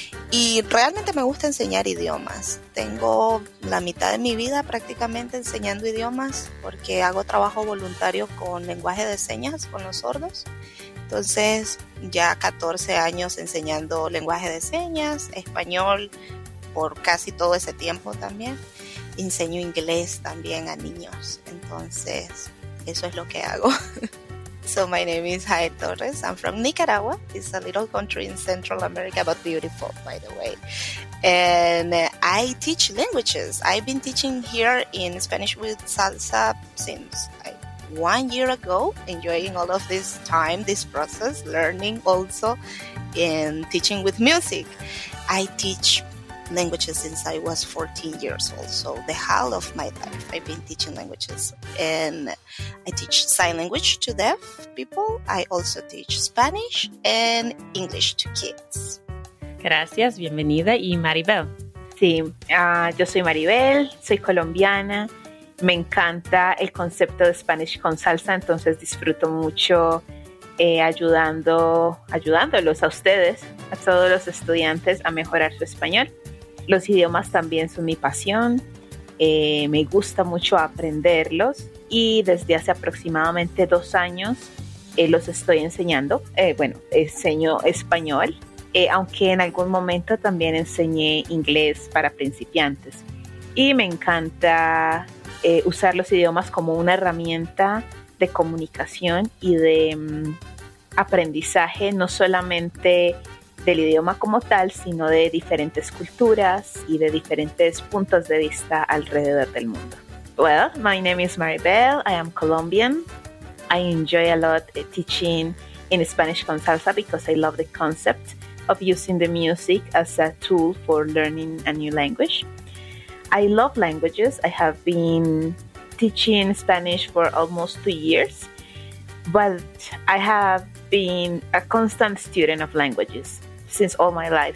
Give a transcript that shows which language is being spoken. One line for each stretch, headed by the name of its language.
Spanish: Y realmente me gusta enseñar idiomas. Tengo la mitad de mi vida prácticamente enseñando idiomas porque hago trabajo voluntario con lenguaje de señas, con los sordos. Entonces, ya 14 años enseñando lenguaje de señas, español por casi todo ese tiempo también. Enseño inglés también a niños. Entonces, eso es lo que hago.
English: So, my name is Jael Torres. I'm from Nicaragua. It's a little country in Central America, but beautiful, by the way. And I teach languages. I've been teaching here in Spanish with Salsa since 1 year ago, enjoying all of this time, this process, learning also in teaching with music. I teach languages since I was 14 years old, so the whole of my life I've been teaching languages. And I teach sign language to deaf people. I also teach Spanish and English to kids.
Spanish: Gracias, bienvenida. Y Maribel. Sí, yo soy Maribel, soy colombiana. Me encanta el concepto de Spanish con Salsa, entonces disfruto mucho ayudándolos a ustedes, a todos los estudiantes, a mejorar su español. Los idiomas también son mi pasión, me gusta mucho aprenderlos y desde hace aproximadamente 2 años los estoy enseñando. Enseño español, aunque en algún momento también enseñé inglés para principiantes. Y me encanta usar los idiomas como una herramienta de comunicación y de aprendizaje, no solamente del idioma como tal, sino de diferentes culturas y de diferentes puntos de vista alrededor del mundo.
English: Well, my name is Maribel. I am Colombian. I enjoy a lot teaching in Spanish con salsa because I love the concept of using the music as a tool for learning a new language. I love languages. I have been teaching Spanish for almost 2 years, but I have been a constant student of languages since all my life.